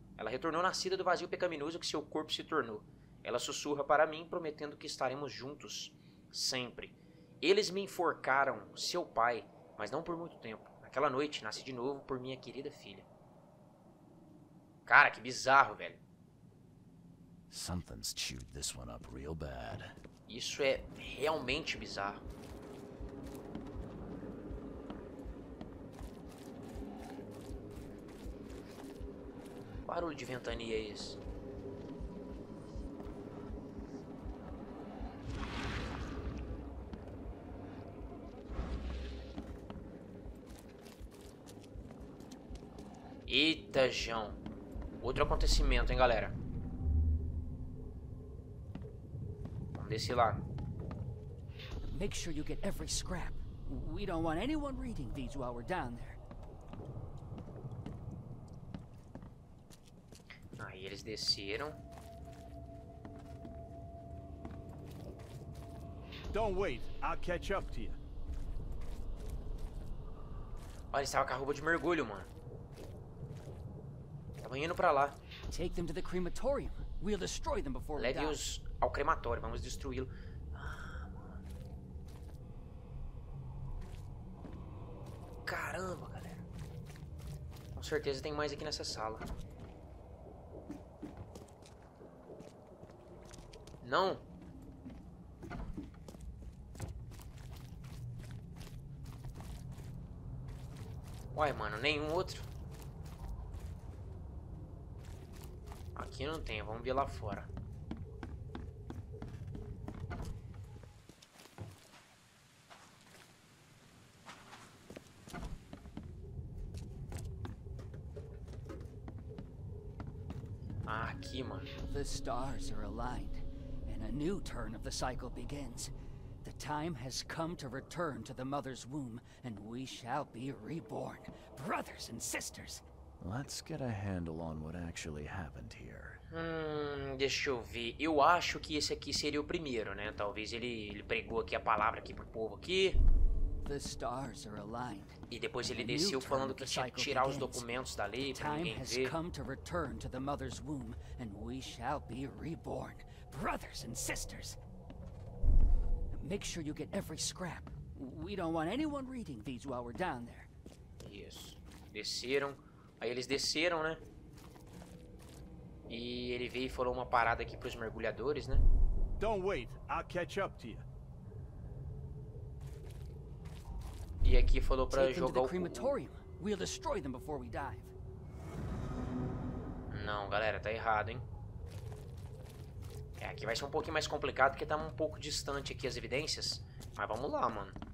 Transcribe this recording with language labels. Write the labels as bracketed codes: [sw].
[pt] Ela retornou nascida do vazio pecaminoso que seu corpo se tornou. Ela sussurra para mim, prometendo que estaremos juntos, sempre. Eles me enforcaram, seu pai, mas não por muito tempo. Naquela noite, nasci de novo por minha querida filha. Cara, que bizarro, velho. [en] Something's chewed this one up real bad. [pt] Isso é realmente bizarro. Barulho de ventania é esse? Eita, João. Outro acontecimento, hein, galera? Vamos descer lá. [en] Make sure you get every scrap. We don't want anyone reading these while we're down there. [pt] Aí eles desceram. [en] Don't wait, I'll catch up to you. [pt] Olha, eles estavam com a roupa de mergulho, mano. Estavam indo pra lá. [en] Take them to the crematorium. We'll destroy them before we die. [pt] Leve-os ao crematório, vamos destruí-lo. Caramba, galera. Com certeza tem mais aqui nessa sala. Não. Uai, mano, nenhum outro. Aqui não tem, vamos ver lá fora. Ah, aqui, mano. [en] The stars are aligned. A new turn of the cycle begins. The time has come to return to the mother's womb, and we shall be reborn, brothers and sisters. Let's get a handle on what actually happened here. [pt] Deixa eu ver. Eu acho que esse aqui seria o primeiro, né? Talvez ele pregou aqui a palavra aqui pro povo aqui. [en] The stars are aligned. [pt] E depois ele desceu falando que tinha que tirar os documentos dali para ninguém ver. [en] The time has come to return to the mother's womb, and we shall be reborn, brothers and sisters. Make sure you get every scrap. We don't want anyone reading these while we're down there. [pt] Isso. Desceram. Aí eles desceram, né? E ele veio e falou uma parada aqui pros mergulhadores, né? [en] Don't wait, I'll catch up to you. [pt] E aqui falou pra jogar o crematório. [en] We'll destroy them before we dive. [pt] Não, galera, tá errado, hein? É, aqui vai ser um pouquinho mais complicado porque tá um pouco distante aqui as evidências. Mas vamos lá, mano.